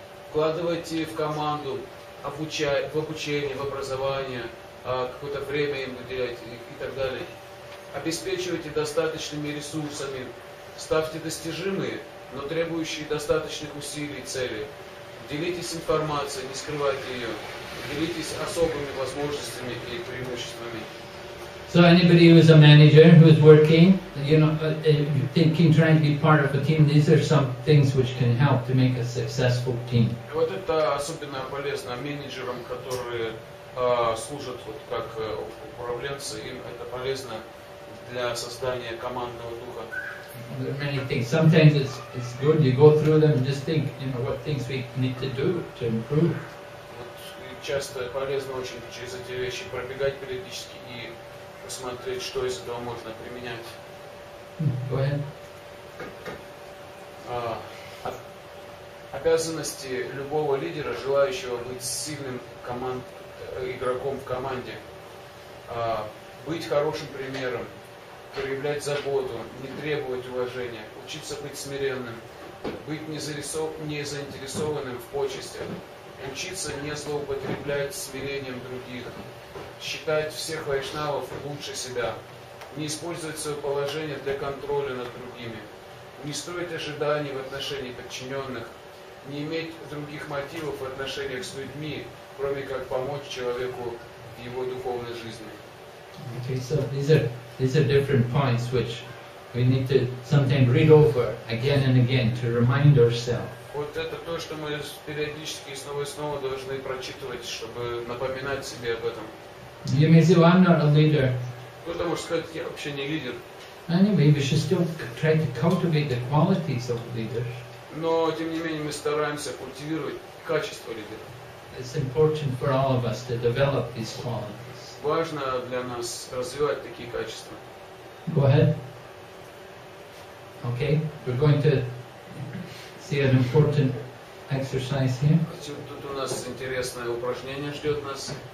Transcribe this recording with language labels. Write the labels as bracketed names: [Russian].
[Russian] Вкладывайте в команду, в обучение, в образование, какое-то время им уделяйте и так далее. Обеспечивайте достаточными ресурсами. Ставьте достижимые, но требующие достаточных усилий цели. Делитесь информацией, не скрывайте ее. Делитесь особыми возможностями и преимуществами. [English] So anybody who is a manager, who is working, you know, thinking, trying to be part of a team, these are some things which can help to make a successful team. [Russian] Вот это особенно полезно менеджерам, которые служат вот как управленцы, им это полезно для создания командного духа. [English] There are many things. Sometimes it's good, you go through them and just think, you know, what things we need to do to improve. [Russian] Часто полезно очень через эти вещи пробегать периодически и посмотреть, что из этого можно применять. [English] Go ahead. [Russian] Обязанности любого лидера, желающего быть сильным игроком в команде. Быть хорошим примером, проявлять заботу, не требовать уважения, учиться быть смиренным, быть не заинтересованным в почестях. Учиться не злоупотреблять смирением других, считать всех вайшнавов лучше себя, не использовать свое положение для контроля над другими, не строить ожиданий в отношении подчиненных, не иметь других мотивов в отношениях с людьми, кроме как помочь человеку в его духовной жизни. [English] Okay, so these are different points which we need to sometimes read over again and again to remind ourselves. [Russian] Вот это то, что мы периодически снова и снова должны прочитывать, чтобы напоминать себе об этом. [English] You may say, well, I'm not a leader. [Russian] Кто-то может сказать, я вообще не лидер. [English] Anyway, we should still try to cultivate the qualities of leaders. [Russian] Но, тем не менее, мы стараемся культивировать качество лидера. [English] It's important for all of us to develop these qualities. [Russian] Важно для нас развивать такие качества. [English] Go ahead. Okay, we're going to see an important exercise here. [Russian] Тут у нас интересное упражнение ждет нас.